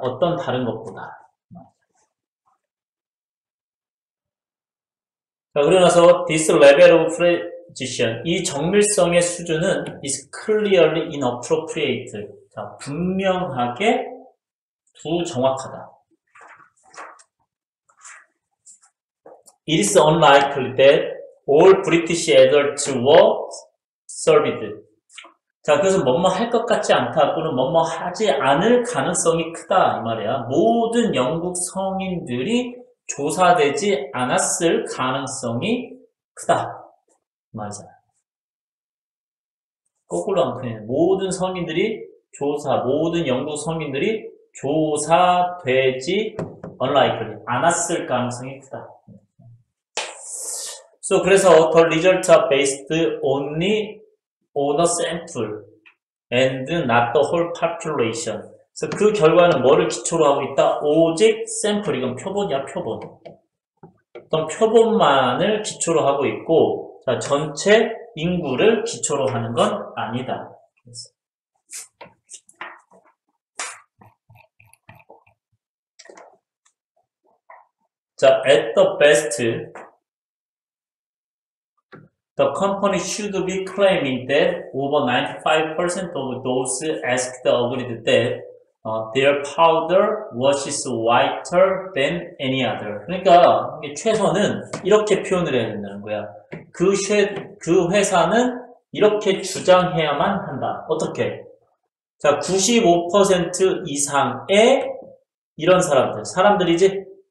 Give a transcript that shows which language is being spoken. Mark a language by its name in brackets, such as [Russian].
[Korean] 어떤 다른 것보다. 자, 그러나서 [English] this level of precision, [Korean] 이 정밀성의 수준은 [English] is clearly inappropriate. [Korean] 자, 분명하게 부정확하다. [English] It is unlikely that all British adults were surveyed. [Korean] 자, 그래서 뭐뭐 할 것 같지 않다 또는 뭐뭐 하지 않을 가능성이 크다 이 말이야. 모든 영국 성인들이 조사되지 않았을 가능성이 크다. 맞아요. 거꾸로 안 크네. 모든 성인들이 조사, 모든 영국 성인들이 조사되지 unlikely. 안 왔을 가능성이 크다. [English] So, [Korean] 그래서 [English] the results are based only on a sample and not the whole population. [Korean] 그래서 그 결과는 뭐를 기초로 하고 있다? 오직 샘플, 이건 표본이야, 표본. 어떤 표본만을 기초로 하고 있고, 자, 전체 인구를 기초로 하는 건 아니다. 그래서. [English] 자, at the best, the company should be claiming that over 95% of those asked agreed that their powder washes whiter than any other. [Korean] 그러니까 이게 최소는 이렇게 표현을 해야 된다는 거야. 그 회사는 이렇게 주장해야만 한다. 어떻게? 자, 95% 이상의 이런 사람들, 사람들이지?